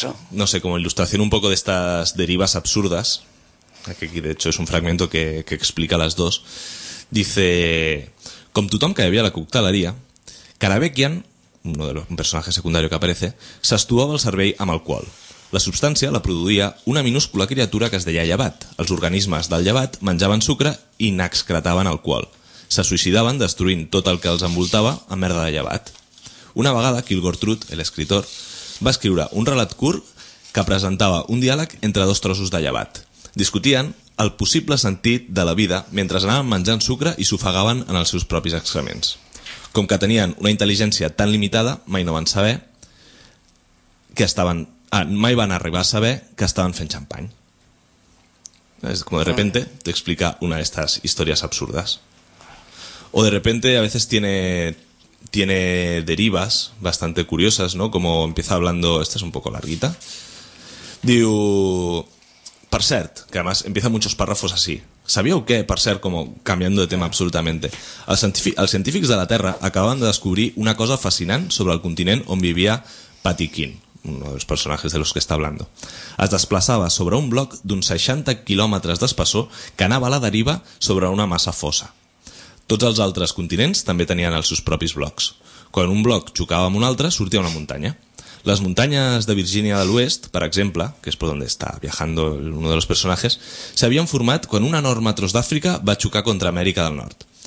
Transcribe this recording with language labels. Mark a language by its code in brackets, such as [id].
[es] No sé, como ilustración un poco de estas derivas absurdas, que aquí de hecho es un fragmento que explica las dos, dice: [ca] com tothom que havia la coctelaria, [es] Karabekian, uno de los personajes secundarios que aparece, [ca] s'estuava el servei amb alcohol. La substància la produïa una minúscula criatura que es deia llevat. Els organismes del llevat menjaven sucre i n'excretaven alcohol. Se suïcidaven destruint tot el que els envoltava amb merda de llevat. Una vegada, Kilgore Truth, l'escriptor, va escriure un relat curt que presentava un diàleg entre dos trossos de llevat. Discutien el possible sentit de la vida mentre anaven menjant sucre i s'ofegaven en els seus propis excrements. Com que tenien una intel·ligència tan limitada, mai no van saber que estaven... mai van arribar a saber que estaven fent xampany. És com [es] de repente [ca] t'explica una d'aquestes històries absurdes. [es] O de repente a veces tiene derivas bastante curiosas, ¿no? Como empieza hablando, esta es un poco larguita. [ca] Diu: per cert, [es] que además empieza muchos párrafos así. [ca] ¿Sabíeu què? Per cert, [es] como cambiando de tema absolutamente. [ca] Els científics de la Terra acaben de descobrir una cosa fascinant sobre el continent on vivia Patty Keene, [es] uno de los personajes de los que está hablando. [ca] Es desplaçava sobre un bloc d'uns 60 quilòmetres d'espessor que anava a la deriva sobre una massa fosa. Tots els altres continents també tenien els seus propis blocs. Quan un bloc xocava amb un altre, sortia una muntanya. Les muntanyes de Virgínia de l'Oest, per exemple, que és per on està [es] viajando uno de los personajes, [ca] s'havien format quan un enorme tros d'Àfrica va xocar contra Amèrica del Nord.